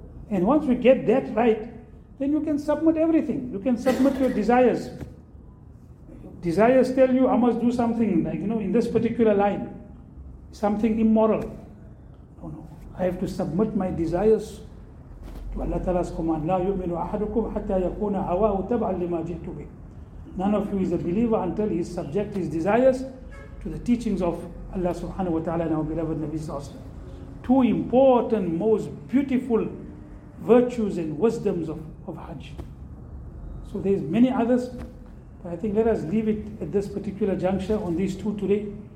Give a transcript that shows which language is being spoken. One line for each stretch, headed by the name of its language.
English: And once we get that right, then you can submit everything. You can submit your desires. Desires tell you, I must do something, like, you know, in this particular line, something immoral. No, no. I have to submit my desires to Allah Ta'ala's command.
Arabic: لا يؤمن أحدكم حتى يكون هواه تبعا لما جئت به.
English: None of you is a believer until he subjects his desires to the teachings of Allah subhanahu wa ta'ala and our beloved Nabi sallallahu alayhi wa sallam. Two important, most beautiful virtues and wisdoms of Hajj. So there's many others, but I think let us leave it at this particular juncture on these two today.